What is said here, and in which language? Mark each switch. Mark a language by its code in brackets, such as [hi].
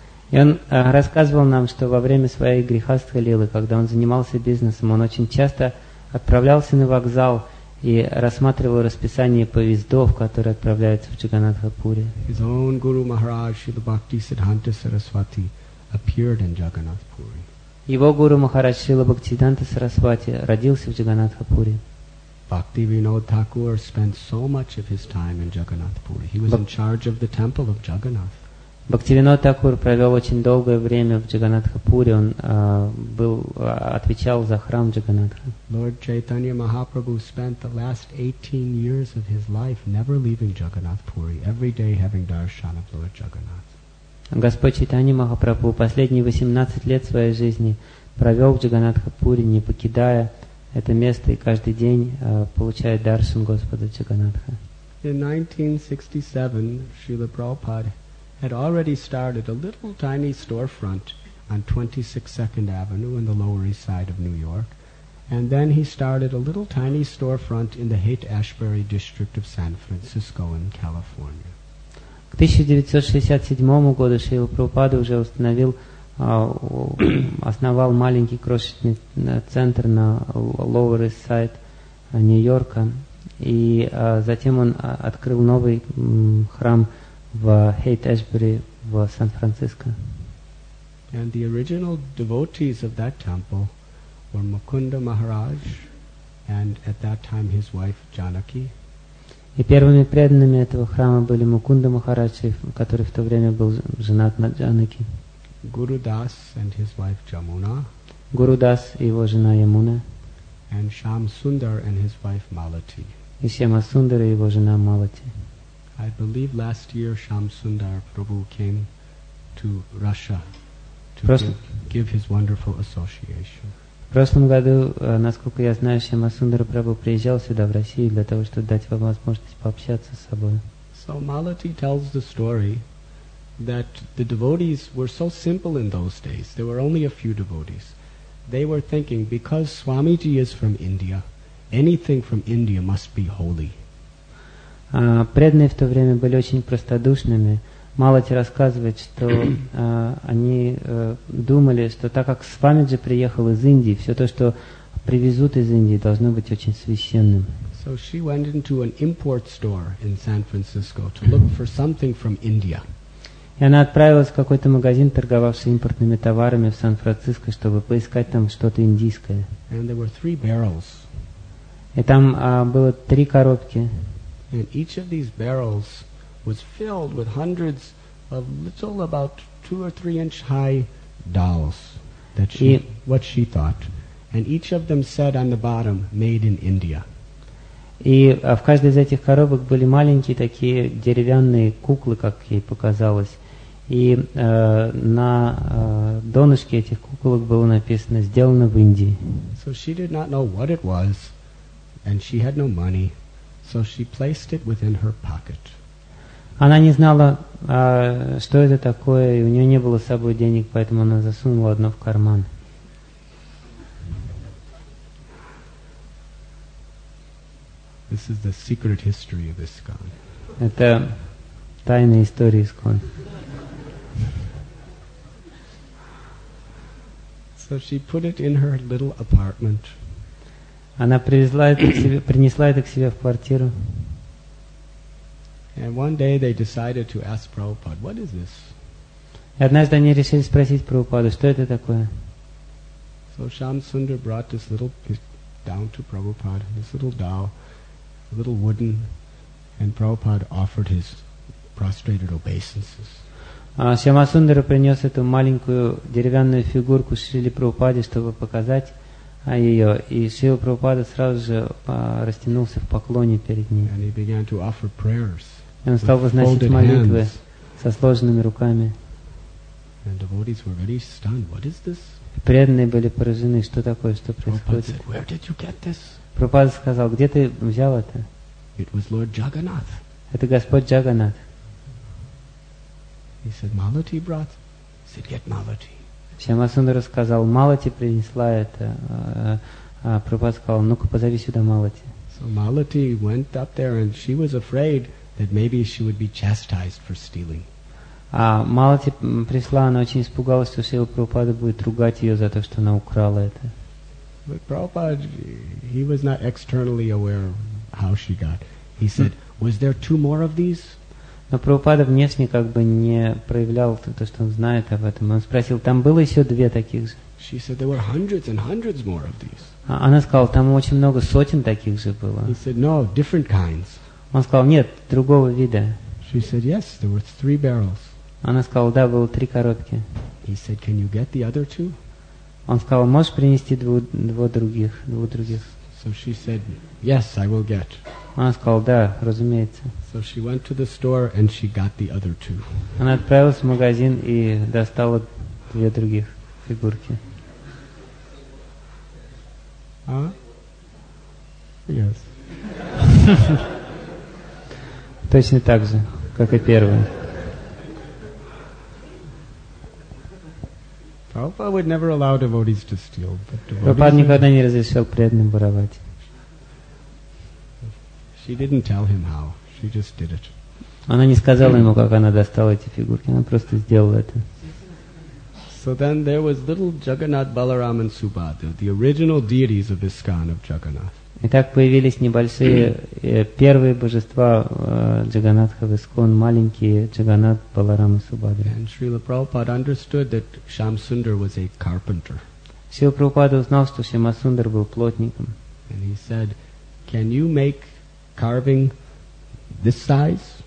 [ru] И он рассказывал нам, что во время своей грихастха лилы, когда он занимался бизнесом, он очень часто отправлялся на вокзал и рассматривал расписание поездов, которые отправляются в Джаганатхапури. [en] His own Guru Maharaj, Srila Bhakti Siddhanta Saraswati, appeared in Jagannathpuri. [ru] Его гуру Махарадж Шрила Бхактисиддханта Сарасвати родился в Джаганатхапури. [en] Bhakti Vinod Thakur spent so much of his time in Jagannathpuri. He was in charge of the temple of Jagannath. [ru] Бхакти Винод Такур провел очень долгое время в Джаганатхапури. Он отвечал за храм Джаганатха. [en] Lord Chaitanya Mahaprabhu spent the last 18 years of his life never leaving Jagannathpuri, every day having darshan of Lord Jagannath. [ru] Господь Чайтанья Махапрабху последние 18 лет своей жизни провел в Джаганатхапури, не покидая это место, и каждый день получает даршан Господа Джаганатха. [en] In 1967, Srila Prabhupada had already started a little tiny storefront on 26 Second Avenue in the Lower East Side of New York, and then he started a little tiny storefront in the Haight-Ashbury district of San Francisco in California. [ru] К 1967 году Шрила Прабхупада уже установил, основал маленький крошечный центр на Lower East Side Нью-Йорка, и затем он открыл новый храм в Haight-Ashbury в Сан-Франциско. [en] And the original devotees of that temple were Mukunda Maharaj and at that time his wife Janaki. [ru] И первыми преданными этого храма были Мукунда Махарадж, который в то время был женат на Джанаки. [en] Guru Das and his wife Jamuna. [ru] Guru Das и его жена Ямуна. [en] And Shyam Sundar and his wife Malati. [ru] И Шьяма Сундар и его жена Малати. [en] I believe last year Shyam Sundar Prabhu came to Russia to give his wonderful association. [ru] В прошлом году, насколько я знаю, Shyam Sundar Prabhu приезжал сюда в Россию для того, чтобы дать вам возможность пообщаться с собой. [en] So Malati tells the story that the devotees were so simple in those days. There were only a few devotees. They were thinking because Swamiji is from India, anything from India must be holy. [ru] преданные в то время были очень простодушными. Малати рассказывает, что они думали, что так как Свамиджи приехал из Индии, все то, что привезут из Индии, должно быть очень священным. [en] So she went into an import store in San Francisco to look for something from India. [ru] И она отправилась в какой-то магазин, торговавший импортными товарами в Сан-Франциско, чтобы поискать там что-то индийское. [en] And there were three barrels. [ru] И там было три коробки. [en] And each of these barrels was filled with hundreds of little, about 2 or 3 inch high dolls. What she thought. And each of them said on the bottom, made in India. [ru] И в каждой из этих коробок были маленькие такие деревянные куклы, как ей показалось. И на донышке этих куколок было написано «Сделано в Индии». [en] So she did not know what it was, and she had no money, so she placed it within her pocket. [ru] Она не знала, что это такое, и у нее не было с собой денег, поэтому она засунула одно в карман. [en] This is the secret history of ISKCON. [ru] Это тайная история ISKCON. [en] So she put it in her little apartment. [ru] Она привезла это к себе, принесла это к себе в квартиру. [en] And one day they decided to ask Prabhupada, "What is this?" [ru] И однажды они решили спросить Прабхупаду, что это такое. [en] So Shamsundar brought this little down to Prabhupada, this little doll. Little wooden, and Prabhupada offered his prostrated obeisances. [ru] Шьямасундара принес эту маленькую деревянную фигурку Шрили Прабхупаде, чтобы показать ее, и Шрила Прабхупада сразу же растянулся в поклоне перед ним. [en] And he began to offer prayers. [ru] И он стал возносить молитвы со сложенными руками. [en] And devotees were very stunned. What is this? [ru] Преданные были поражены. Что такое? Что происходит? [en] Said, Where did you get this? [ru] Прабхупада сказал, где ты взял это? [en] It was Lord Jagannath. [ru] Это Господь Джаганнат. [en] He said, Malati brought. He said, get Malati. [ru] Шьямасундара сказал, Малати принесла это. Прабхупада сказал, ну-ка позови сюда Малати. [en] So Malati went up there and she was afraid that maybe she would be chastised for stealing. [ru] А Малати пришла, она очень испугалась, что Шрила Прабхупада будет ругать ее за то, что она украла это. [en] But Prabhupada, he was not externally aware of how she got. He said, "Was there two more of these?" [ru] Но Прабхупада внешне как бы не проявлял то, что он знает об этом. Он спросил, там было еще две таких же? [en] She said, "There were hundreds and hundreds more of these." [ru] Она сказала, там очень много сотен таких же было. [en] He said, "No, different kinds." [ru] Он сказал, нет, другого вида. [en] She said, "Yes, there were three barrels." [ru] Она сказала, да, было три коробки. [en] He said, "Can you get the other two?" [ru] Он сказал, можешь принести двух других? [en] So she said, yes, I will get. [ru] Она сказала, да, разумеется. [en] So she went to the store and she got the other two. [ru] Она отправилась в магазин и достала две других фигурки. [en] А? Yes. [ru] Точно так же, как и первая. [en] Prabhupada would never allow devotees to steal, but devotees. [ru] Prabhupada никогда не разрешал преданным воровать. [en] She didn't tell him how. She just did it. [ru] Она не сказала ему, как она достала эти фигурки. Она просто сделала это. [en] So then there was little Jagannath Balaram and Subhadra, the original deities of ISKCON of Jagannath. [ru] И так появились небольшие первые божества Джаганатха в ИСККОН, маленькие Джаганат, Баларам и Субхадра. [en] And Srila Prabhupada understood that Shamsundar was a carpenter. [ru] Srila Prabhupada узнал, что Шьямасундар был плотником. [en] And he said, can you make carving this size?